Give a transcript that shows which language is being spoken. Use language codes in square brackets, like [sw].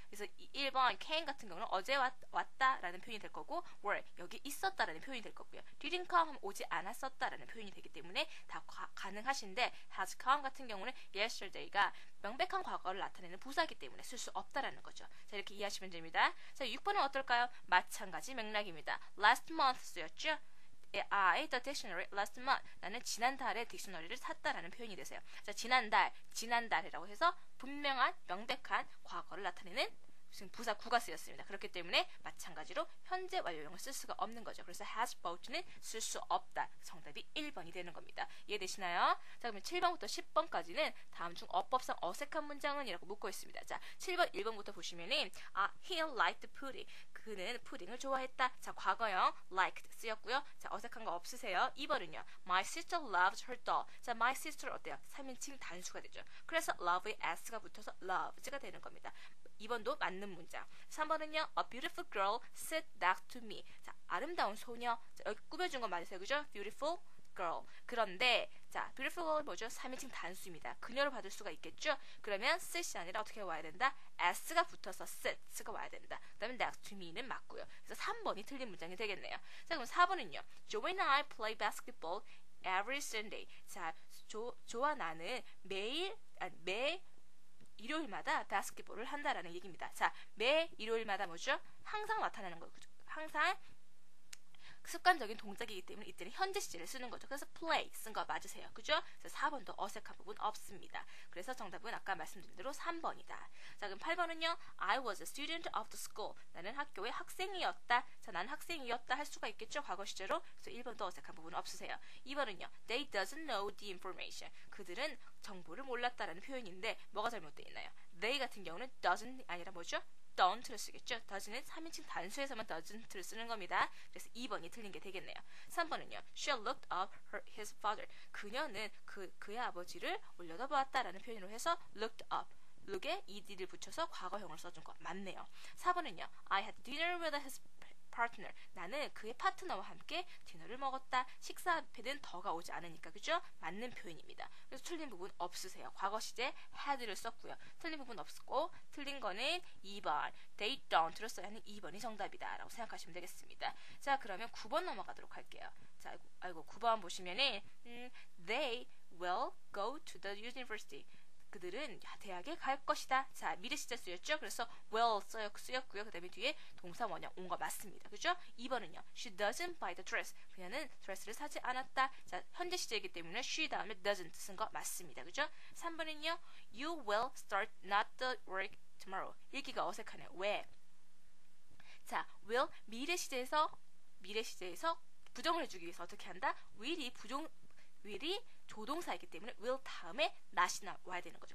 [ko] 그래서 1번 came 같은 경우는 어제 왔다라는 표현이 될 거고 were 여기 있었다라는 표현이 될 거고요. didn't come 오지 않았었다라는 표현이 되기 때문에 다 가능하신데 has come 같은 경우는 yesterday가 명백한 과거를 나타내는 부사이기 때문에 쓸 수 없다라는 거죠. 자, 이렇게 이해하시면 됩니다. 자, 6번은 어떨까요? 마찬가지 맥락입니다. [en] last month [ko] 쓰였죠? [en] I, the dictionary, last month. [ko] 나는 지난달에 딕셔너리를 샀다라는 표현이 되세요. 자, 지난달이라고 해서 분명한, 명백한 과거를 나타내는 무슨 부사 구가 쓰였습니다. 그렇기 때문에 마찬가지로 현재 완료형을 쓸 수가 없는 거죠. 그래서 has bought는 쓸 수 없다. 정답이 1번이 되는 겁니다. 이해되시나요? 자, 그러면 7번부터 10번까지는 다음 중 어법상 어색한 문장은? 이라고 묻고 있습니다. 자, 7번, 1번부터 보시면은 [en] he liked pudding. [ko] 그는 푸딩을 좋아했다. 자, 과거형 liked 쓰였고요. 자, 어색한 거 없으세요. 2번은요. [en] My sister loves her doll. [ko] 자, my sister 어때요? 3인칭 단수가 되죠. 그래서 love에 s가 붙어서 loves가 되는 겁니다. 2번도 맞는 문장. 3번은요. [en] A beautiful girl sit next to me. [ko] 자, 아름다운 소녀. 자, 여기 꾸며준 거 맞으세요. 그죠? [en] Beautiful girl. [ko] 그런데 자, beautiful girl 뭐죠? 3인칭 단수입니다. 그녀를 받을 수가 있겠죠? 그러면 sit이 아니라 어떻게 와야 된다? s가 붙어서 sit가 와야 된다. 그 다음에 next to me는 맞고요. 그래서 3번이 틀린 문장이 되겠네요. 자, 그럼 4번은요. [en] Joe and I play basketball every Sunday. [ko] 자, 조와 나는 매 일요일마다 바스켓볼을 한다라는 얘기입니다. 자, 매 일요일마다 뭐죠? 항상 나타나는 거죠. 항상 습관적인 동작이기 때문에 이때는 현재 시제를 쓰는 거죠. 그래서 play 쓴 거 맞으세요. 그죠? 그래서 4번도 어색한 부분 없습니다. 그래서 정답은 아까 말씀드린 대로 3번이다. 자, 그럼 8번은요. [en] I was a student of the school. [ko] 나는 학교의 학생이었다. 자, 난 학생이었다 할 수가 있겠죠? 과거 시제로. 그래서 1번도 어색한 부분 없으세요. 2번은요. [en] They doesn't know the information. [ko] 그들은 정보를 몰랐다라는 표현인데 뭐가 잘못되어 있나요? They 같은 경우는 doesn't 아니라 뭐죠? don't를 쓰겠죠? doesn't은 3인칭 단수에서만 doesn't를 쓰는 겁니다. 그래서 2번이 틀린 게 되겠네요. 3번은요. [en] She looked up his father. [ko] 그녀는 그의 아버지를 올려다보았다라는 표현으로 해서 looked up. look에 ed를 붙여서 과거형을 써준 거 맞네요. 4번은요. [en] I had dinner with his partner. [ko] 나는 그의 파트너와 함께 디너를 먹었다. 식사 앞에는 더가 오지 않으니까. 그죠? 맞는 표현입니다. 그래서 틀린 부분 없으세요. 과거 시제 had를 썼고요. 틀린 부분 없었고 틀린 거는 2번. they don't로 써야 하는 2번이 정답이다. 라고 생각하시면 되겠습니다. 자, 그러면 9번 넘어가도록 할게요. 자, 아이고 9번 보시면은 [en] they will go to the university. [ko] 그들은 대학에 갈 것이다. 자, 미래 시제 쓰였죠? 그래서 will 쓰였고요. 그 다음에 뒤에 동사 원형 온 거 맞습니다. 그죠? 2번은요. [en] She doesn't buy the dress. [ko] 그녀는 드레스를 사지 않았다. 자, 현재 시제이기 때문에 she 다음에 doesn't 쓴 거 맞습니다. 그죠? 3번은요. [en] You will start not the work tomorrow. [ko] 읽기가 어색하네요. 왜? 자, will 미래 시제에서 부정을 해주기 위해서 어떻게 한다? will이 부정 will이 조동사이기 때문에 will 다음에 not이 나와야 되는 거죠.